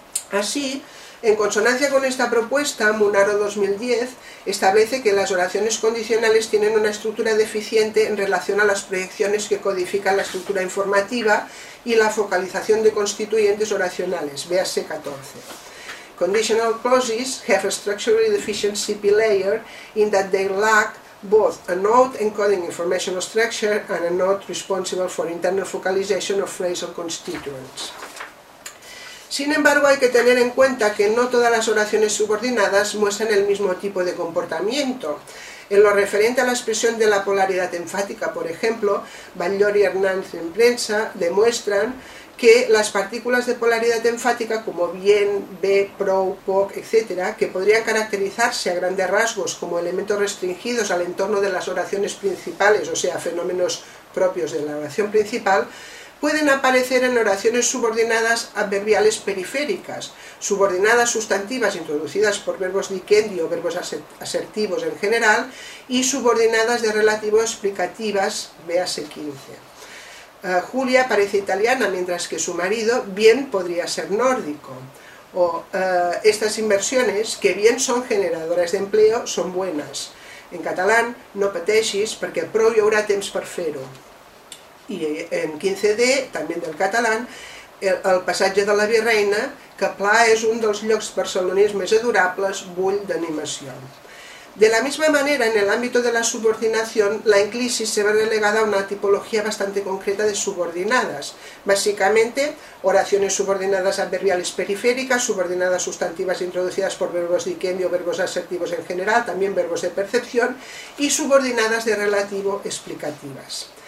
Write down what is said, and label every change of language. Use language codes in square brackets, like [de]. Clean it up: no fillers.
[es] Así, en consonancia con esta propuesta, Munaro 2010 establece que las oraciones condicionales tienen una estructura deficiente en relación a las proyecciones que codifican la estructura informativa y la focalización de constituyentes oracionales, véase 14. [en] Conditional clauses have a structurally deficient CP layer in that they lack both a node encoding informational structure and a node responsible for internal focalization of phrasal constituents. [es] Sin embargo, hay que tener en cuenta que no todas las oraciones subordinadas muestran el mismo tipo de comportamiento. En lo referente a la expresión de la polaridad enfática, por ejemplo, Vallori y Hernández en prensa demuestran que las partículas de polaridad enfática como bien, be, pro, poc, etc., que podrían caracterizarse a grandes rasgos como elementos restringidos al entorno de las oraciones principales, o sea, fenómenos propios de la oración principal, pueden aparecer en oraciones subordinadas adverbiales periféricas, subordinadas sustantivas introducidas por verbos dicendi o verbos asertivos en general, y subordinadas de relativo explicativas, véase 15. Julia parece italiana, mientras que su marido bien podría ser nórdico. O estas inversiones, que bien son generadoras de empleo, son buenas. En catalán, [ca] no pateixis, perquè prou hi haurà temps per fer-ho. I en 15D, també del català, el passatge de la Virreina, que Pla és un dels llocs barcelonins més adorables, bull d'animació. [es] De la misma manera, en el ámbito de la subordinación, la enclisis se ve relegada a una tipología bastante concreta de subordinadas. Básicamente, oraciones subordinadas adverbiales periféricas, subordinadas sustantivas introducidas por verbos dicendi o verbos asertivos en general, también verbos de percepción, y subordinadas de relativo explicativas.